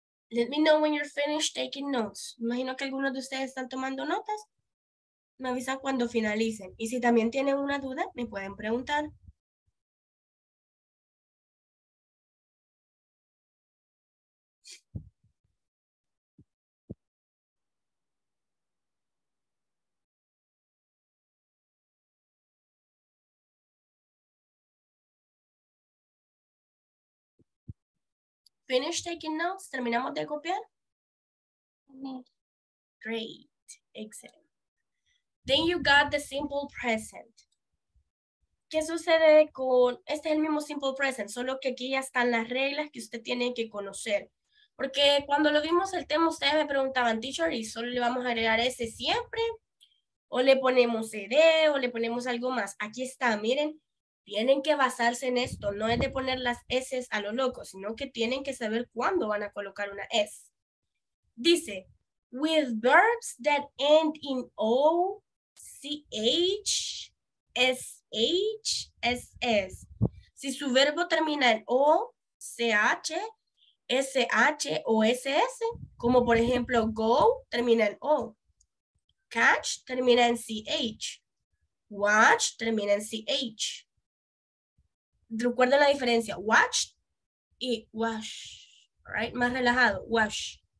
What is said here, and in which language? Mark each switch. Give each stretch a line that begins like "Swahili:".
English: Let me know when you're finished taking notes.
Spanish: Imagino que algunos de ustedes están tomando notas. Me avisan cuando finalicen. Y si también tienen una duda, me pueden preguntar.
English: finish taking notes?
Spanish: ¿Terminamos de copiar? No.
English: Great. Excellent. Then you got the simple present.
Spanish: ¿Qué sucede con... Este es el mismo simple present, solo que aquí ya están las reglas que usted tiene que conocer. Porque cuando lo vimos el tema, ustedes me preguntaban, teacher, ¿y solo le vamos a agregar ese siempre? ¿O le ponemos ED? ¿O le ponemos algo más? Aquí está, miren. Tienen que basarse en esto. No es de poner las S a lo loco, sino que tienen que saber cuándo van a colocar una S.
English: Dice, with verbs that end in O, CH, SH, SS.
Spanish: Si su verbo termina en O, CH, SH o SS, como por ejemplo go, termina en O. Catch, termina en CH. Watch, termina en CH. Recuerden la diferencia. Watch y wash. Right? Más relajado. Wash.